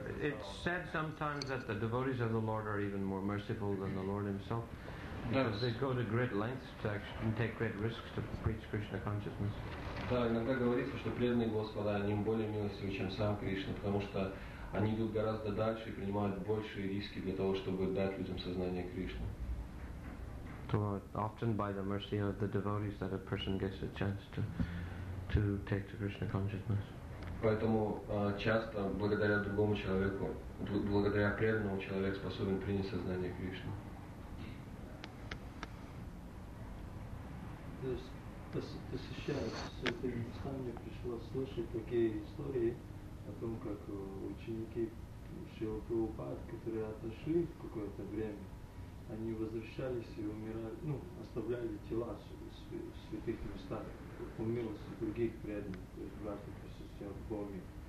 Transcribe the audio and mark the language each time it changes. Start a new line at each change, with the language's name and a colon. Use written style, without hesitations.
English: it's said sometimes that the devotees of the Lord are even more merciful than the Lord himself, because they go to great lengths to actually and take great risks to preach Krishna consciousness.
Russian: Да, иногда говорится, что преданные Господа, они более милостивы, чем сам Кришна, потому что они идут гораздо дальше и принимают большие риски для того, чтобы дать людям сознание Кришны.
English: So often by the mercy of the devotees that a person gets a chance to take to Krishna consciousness.
Russian: Поэтому часто благодаря другому человеку, благодаря преданному, человек способен принять сознание Кришны. То сейчас с этой места мне пришлось слышать такие истории о том, как ученики Шрилы Прабхупады, которые отошли в какое-то время, они возвращались и умирали, ну, оставляли тела в святых местах, по милости других преданных, братьев и сестер в Боге.